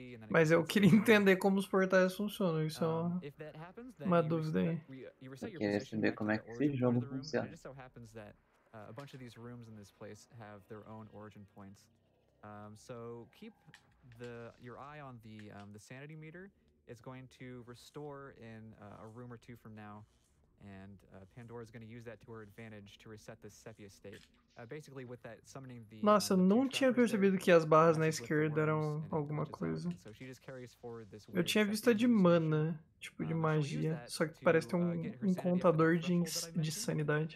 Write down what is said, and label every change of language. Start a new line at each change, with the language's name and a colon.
Portuguese: Mas eu queria entender como os portais funcionam, isso é uma dúvida aí. Eu queria saber como é que esse jogo funciona.
English: A bunch of these rooms in this place have their own origin points. So keep your eye on the sanity meter. It's going to restore in a room or two from now, and Pandora is going to use that to her advantage to reset the Sepia state. Basically, with that summoning the.
Portuguese: Nossa, não tinha percebido que as barras na esquerda eram alguma coisa.
English: So she just carries forward this.
Portuguese: Eu tinha visto a de mana, tipo de magia, só que parece ter um contador de sanidade.